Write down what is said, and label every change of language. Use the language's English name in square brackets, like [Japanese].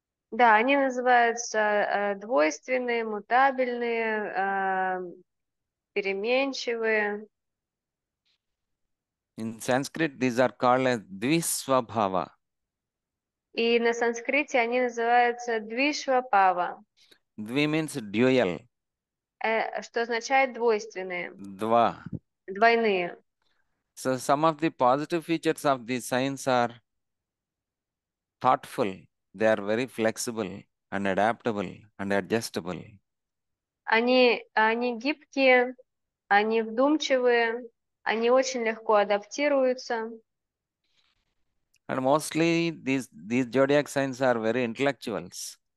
[Russian] Да, они называются двойственные, мутабельные, переменчивые. [English] In Sanskrit, these are called as Dvisvabhava. [Russian] И на санскрите они называются Двишвапава, [English] Dvi means dual. [Russian] что означает двойственные, Два. двойные. [English] So some of the positive features of these signs are thoughtful, they are very flexible and adaptable and adjustable. [Russian] Они гибкие, они вдумчивые, они очень легко адаптируются. [English] And mostly these zodiac signs are very intellectuals.